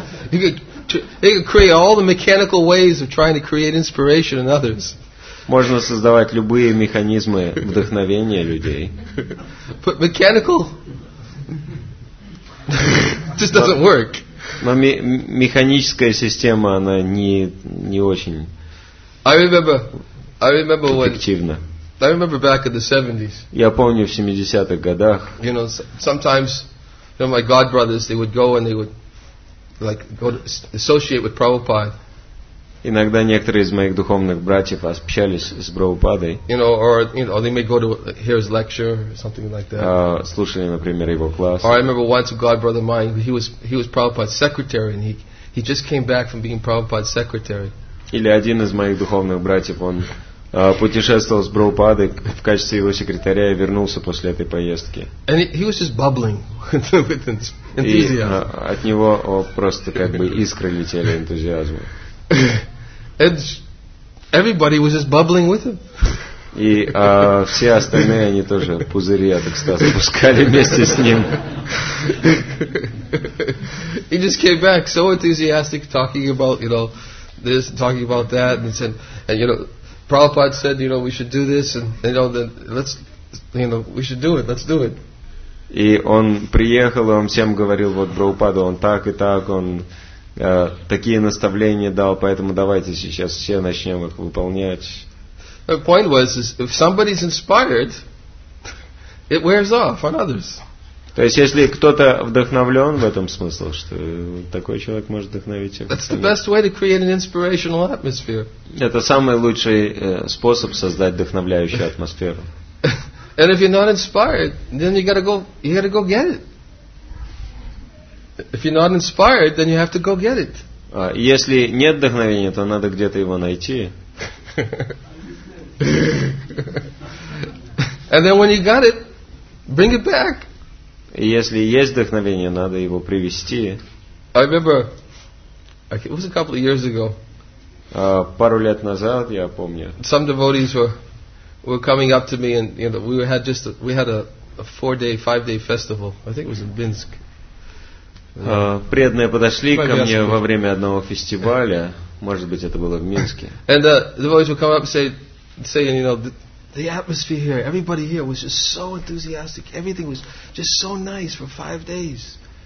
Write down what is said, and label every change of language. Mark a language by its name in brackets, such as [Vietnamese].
[English] You can create all the mechanical ways of trying to create inspiration in others. [Russian] Можно создавать любые механизмы вдохновения людей. [English] But mechanical just doesn't work. [Russian] Но механическая система она не очень эффективна. [English] I remember back in the 70s. [Russian] Я помню в 70-х годах. [English] You know, sometimes, you know, my God brothers, they would go and they would like go to associate with Prabhupada. [Russian] Иногда некоторые из моих духовных братьев общались с Прабхупадой. [English] You know, or, you know, they may go to hear his lecture or something like that. [Russian] Слушали, например, его класс. [English] Or I remember once a God brother of mine, he was Prabhupada's secretary, and he just came back from being Prabhupada's secretary. [Russian] Или один из моих духовных братьев, он путешествовал с Прабхупадой в качестве его секретаря и вернулся после этой поездки. [English] And he was just bubbling with enthusiasm. [Russian] И от него просто как бы искры летели энтузиазмом. [English] And everybody was just bubbling with him. [Russian] И все остальные они тоже пузыри, я так сказать, пускали вместе с ним. [English] He just came back so enthusiastic, talking about, you know, this, talking about that, and said, and you know, Prabhupada said, you know, we should do this, and you know, then let's, you know, we should do it. Let's do it. [Russian] И он приехал, он всем говорил, вот Прабхупада, он так и так, он такие наставления дал, поэтому давайте сейчас все начнем их выполнять. [English] The point was, if somebody's inspired, it wears off on others. [Russian] То есть, если кто-то вдохновлен в этом смысле, что такой человек может вдохновить всех. [English] That's the best way to create an inspirational atmosphere. [Russian] Это самый лучший способ создать вдохновляющую атмосферу. [English] And if you're not inspired, then you gotta go get it. If you're not inspired, then you have to go get it. [Russian] Если нет вдохновения, то надо где-то его найти. [English] And then when you got it, bring it back. [Russian] Если есть вдохновение, надо его привести. [English] I remember, it was a couple of years ago. [Russian] Пару лет назад, я помню. [English] Some devotees were coming up to me, and you know, we had a 4-day, 5-day festival. I think it was in Binsk. [Russian] Преданные подошли ко мне во время одного фестиваля, может быть, это было в Минске. [English] And the boys would come up and say, you know, the atmosphere here, everybody here was just so enthusiastic, everything was just so nice for 5 days.